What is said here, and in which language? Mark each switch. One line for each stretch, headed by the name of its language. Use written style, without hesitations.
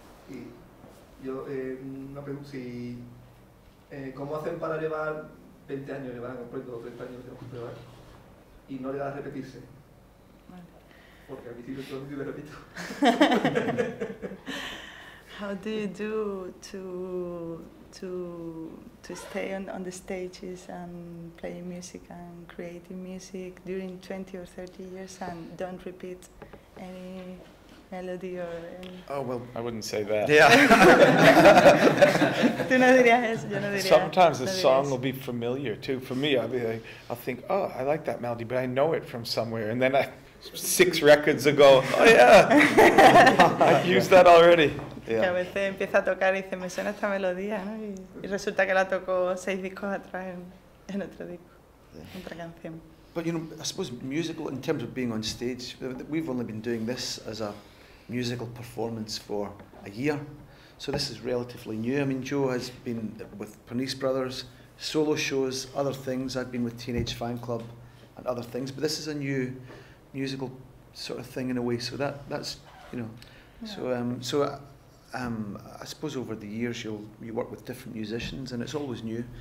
Spanish: Y yo una pregunta, si ¿cómo hacen para llevar 20 años, llevar un proyecto de 30 años llevar, y no llegar a repetirse? Vale. Porque al principio todo el mundo me repito.
English: How do you do to stay on the stages and playing music and creating music during 20 or 30 years and don't repeat any melody or any... Oh, well, I wouldn't say that. Yeah.
Spanish: Tú no dirías eso, yo no diría.
English: Sometimes the song will be familiar too. For me, I'll think, oh, I like that melody, but I know it from somewhere. And then I, 6 records ago, oh yeah, I've used that already. Yeah.
Spanish: Que a veces empieza a tocar y dice, me suena esta melodía, ¿no? Y resulta que la tocó 6 discos atrás en otro disco, en otra canción.
English: But you know, I suppose musical, in terms of being on stage, we've only been doing this as a musical performance for a year. So this is relatively new. I mean, Joe has been with Pernice Brothers, solo shows, other things. I've been with Teenage Fan Club and other things. But this is a new musical sort of thing in a way. So that's, you know, I suppose over the years you work with different musicians and it's always new.